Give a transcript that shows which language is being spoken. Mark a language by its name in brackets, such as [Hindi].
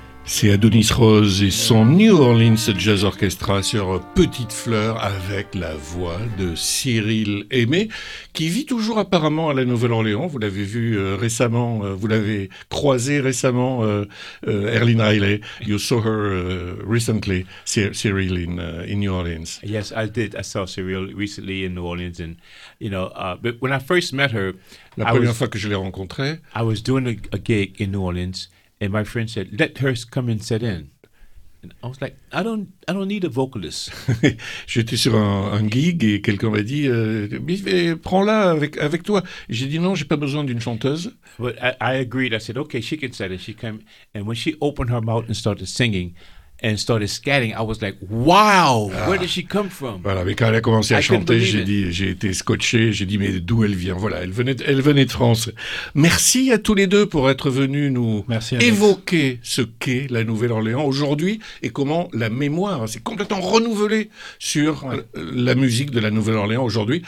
[French] C'est Adonis Rose et son New Orleans Jazz Orchestra sur Petite Fleur avec la voix de Cyril Aimé, qui vit toujours apparemment à la Nouvelle-Orléans. Vous l'avez vu récemment, vous l'avez croisé récemment, Erlin Riley. [English] You saw her recently, Cyril, in New Orleans. Yes, I did. I saw Cyril recently in New Orleans. And, you know, but when I first met her, [French] la première fois que je l'ai rencontrée, [English] I was doing a gig in New Orleans. And my friend said, "Let her come and sit in." And I was like, "I don't need a vocalist." [French] J'étais sur un gig et quelqu'un m'a dit, "Prends-la avec toi." Et j'ai dit, "Non, j'ai pas besoin d'une chanteuse." [English] But I agreed. I said, "Okay, she can sit in." She came, and when she opened her mouth and started singing, and started scatting, I was like, wow, where did she come from? [French] Voilà, mais quand elle a commencé à chanter, j'ai été scotché, j'ai dit, mais d'où elle vient? Voilà, elle venait de France. Merci à tous les deux pour être venus nous évoquer ce qu'est la Nouvelle-Orléans aujourd'hui et comment la mémoire s'est complètement renouvelée sur la musique de la Nouvelle-Orléans aujourd'hui.